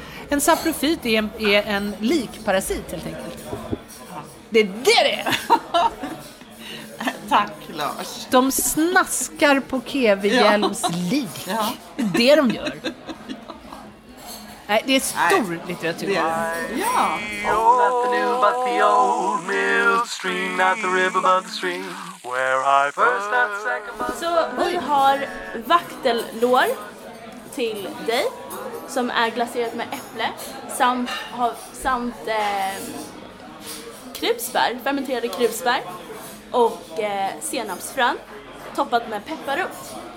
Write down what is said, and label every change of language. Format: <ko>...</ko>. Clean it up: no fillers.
<sv>En saprofyt är en likparasit helt enkelt. Det är det det är. Tack Lars. De snaskar på Kevin Hjelms lik. Ja. Det är det de gör. Nej, det är stor litteratur. Ja.</sv> <en>Oh, nothing new but the old mill stream, not the river but the stream, where I first and second.</en> <sv>Så vi har vaktellår till dig som är glaserat med äpple samt krusbär, fermenterade krusbär och senapsfrön toppat med pepparrot.</sv>